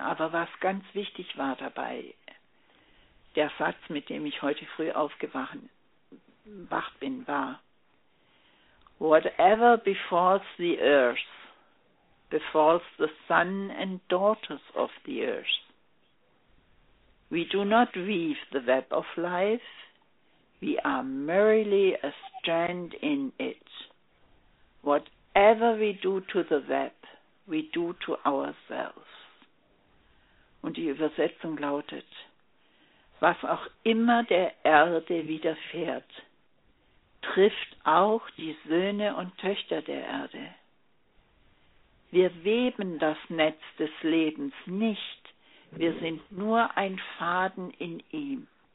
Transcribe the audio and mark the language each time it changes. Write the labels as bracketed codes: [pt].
[de] Aber was ganz wichtig war dabei, der Satz, mit dem ich heute früh aufgewacht bin, war: [en] Whatever befalls the earth, befalls the son and daughters of the earth. We do not weave the web of life, we are merely a strand in it. Whatever we do to the web, we do to ourselves. [de] Und die Übersetzung lautet: Was auch immer der Erde widerfährt, trifft auch die Söhne und Töchter der Erde. Wir weben das Netz des Lebens nicht, wir sind nur ein Faden in ihm.